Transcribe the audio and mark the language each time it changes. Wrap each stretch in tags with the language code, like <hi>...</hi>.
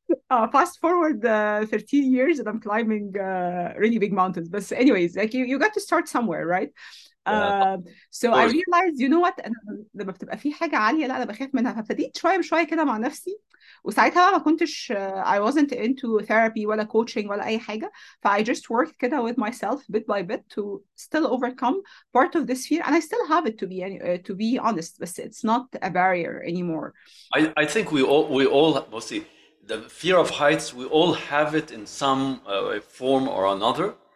<en>fast forward 13 years and I'm climbing really big mountains. But anyways, like you got to start somewhere, right? So I realized, you know what?</en> <ar>لما بتبقى في حاجة عالية لا أنا بخاف منها. فابتديت شوية بشوية كده مع نفسي. وساعتها ما كنتش</ar> <en>I wasn't into therapy</en> <ar>ولا</ar> <en>coaching</en> <ar>ولا أي حاجة, ف</ar> <en>I just worked</en> <ar>كده</ar> <en>with myself bit by bit to still overcome part of this fear, and I still have it to be honest, but it's not a barrier anymore. I think we all mostly the fear of heights, we all have it in some form or another.</en>